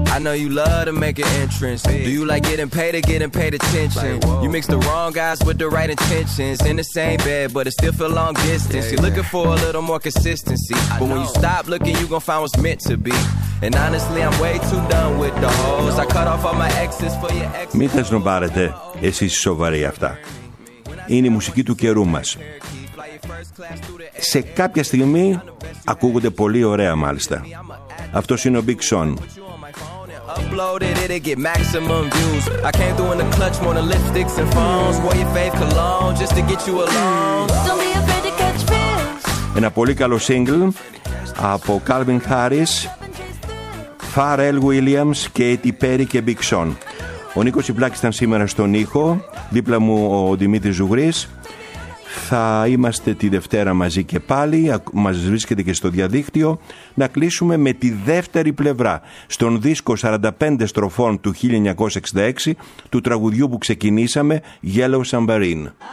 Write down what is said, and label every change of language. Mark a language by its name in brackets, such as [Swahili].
[English] I know you love to make an entrance. Do you like getting paid or getting paid attention? You mix the wrong guys with the right intentions. In the same bed, but it still feel long distance. You're looking for a little more consistency. But when you stop looking, you gon' find what's meant to be. And honestly, I'm way too done with the hoes. I cut off all my exes for your exes. [Greek] Μην τα σνομπάρετε, εσείς σοβαροί αυτά. Είναι η μουσική του καιρού μας. Σε κάποια στιγμή ακούγονται πολύ ωραία μάλιστα. Αυτός είναι ο Big Sean. [English] Uploaded it, it get maximum views. I came through in the clutch more than lipsticks and phones. Wore your fave cologne just to get you alone. Don't be afraid to catch pills. [Greek] Ένα πολύ καλό single από Calvin Harris, Pharrell Williams, Katy Perry και Big Sean. Ο Νίκος Ιπλάκης ήταν σήμερα στον ήχο. Δίπλα μου ο Δημήτρης Ζουγρής. Θα είμαστε τη Δευτέρα μαζί και πάλι. Μας βρίσκεται και στο διαδίκτυο. Να κλείσουμε με τη δεύτερη πλευρά στον δίσκο 45 στροφών του 1966 του τραγουδιού που ξεκινήσαμε, Yellow Submarine.